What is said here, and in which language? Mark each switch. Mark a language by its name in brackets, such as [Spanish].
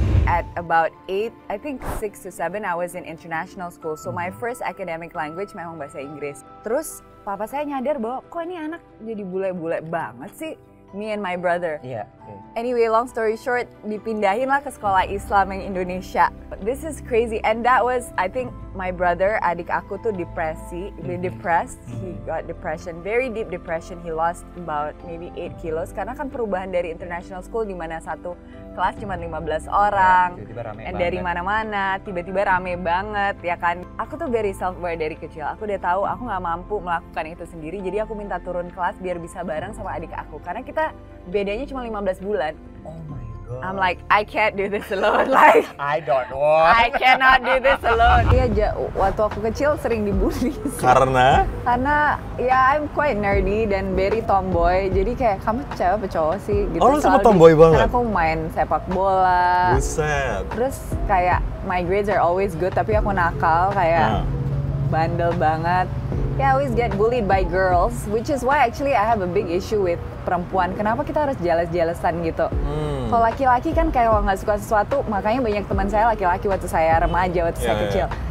[English] At about 8, I think 6 to 7, I was in international school. So my first academic language [Indonesian] memang bahasa Inggris. Terus papa saya nyadar bahwa kok ini anak jadi bule-bule banget sih, [English] me and my brother. Yeah. Okay. Anyway, long story short, [Indonesian] dipindahin lah ke sekolah Islam yang Indonesia. [English] This is crazy. And that was, I think, my brother, [Indonesian] adik aku tuh depresi, [English] really depressed. He got depression, very deep depression. He lost about maybe 8 kilos. [Indonesian] Karena kan perubahan dari international school di mana satu kelas cuma 15 orang. Tiba-tiba rame [English] and [Indonesian] banget. Dari mana-mana, tiba-tiba rame banget, ya kan. Aku tuh [English] very self-aware [Indonesian] dari kecil. Aku udah tahu aku gak mampu melakukan itu sendiri. Jadi aku minta turun kelas biar bisa bareng sama adik aku. Karena kita bedanya cuma 15 bulan. [English] Oh my God. I'm like, I can't do this alone. Like, I don't want. I cannot do this alone. [Indonesian] Iya, waktu aku kecil sering dibully. Karena? Karena, ya, [English] I'm quite nerdy dan very tomboy. [Indonesian] Jadi kayak, kamu cewek apa cowok sih? Gitu. Oh, lu sama tomboy banget? Karena aku main sepak bola. Buset. Terus kayak, [English] my grades are always good, [Indonesian] tapi aku nakal. Kayak, bandel banget. [English] Yeah, I always get bullied by girls, which is why actually I have a big issue with perempuan. [Indonesian] Kenapa kita harus jealous-jealousan gitu? Kalau laki-laki kan kayak kalau nggak suka sesuatu, makanya banyak teman saya laki-laki waktu saya remaja, waktu saya kecil.